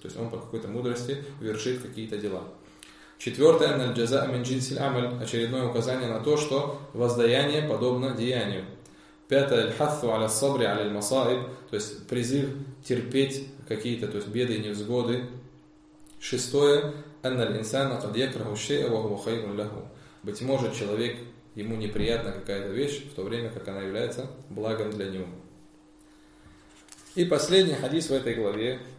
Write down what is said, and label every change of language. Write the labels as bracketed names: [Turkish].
[Russian] То есть он по какой-то мудрости вершит какие-то дела. Четвертое, [Arabic] наль-джаза мин джинсиль амаль. [Russian] Очередное указание на то, что воздаяние подобно деянию. Пятое, [Arabic] аль-хаффу аля-сабри аля-масаиб. [Russian] То есть призыв терпеть какие-то, то есть беды и невзгоды. Шестое, [Arabic] أن الإنسان قد يكره الشيء وهو خير له. [Russian] Быть может, человек, ему неприятна какая-то вещь, в то время как она является благом для него. И последний хадис в этой главе.